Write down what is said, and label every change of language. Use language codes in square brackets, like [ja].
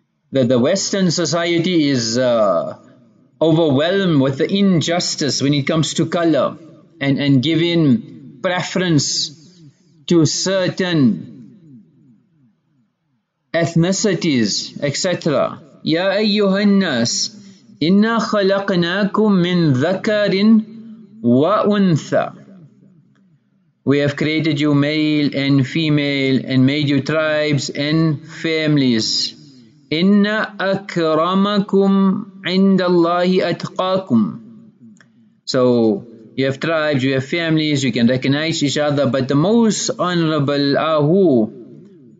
[en] That the Western society is overwhelmed with the injustice when it comes to color and giving preference to certain ethnicities, etc. [ar] Ya ayyuha an-nas, إِنَّا خَلَقْنَاكُمْ مِنْ ذَكَرٍ وَأُنْثَى. [en] We have created you male and female and made you tribes and families. [ar] إِنَّا أَكْرَمَكُمْ عِنْدَ اللَّهِ أَتْقَاكُمْ. [en] So you have tribes, you have families, you can recognize each other, but the most honorable are who?